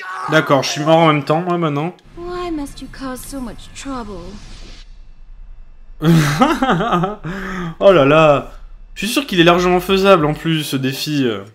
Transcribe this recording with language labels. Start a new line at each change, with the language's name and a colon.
French: D'accord, je suis mort en même temps, moi, maintenant.
English: Why must you cause so much trouble?
French: Oh là là. Je suis sûr qu'il est largement faisable, en plus, ce défi.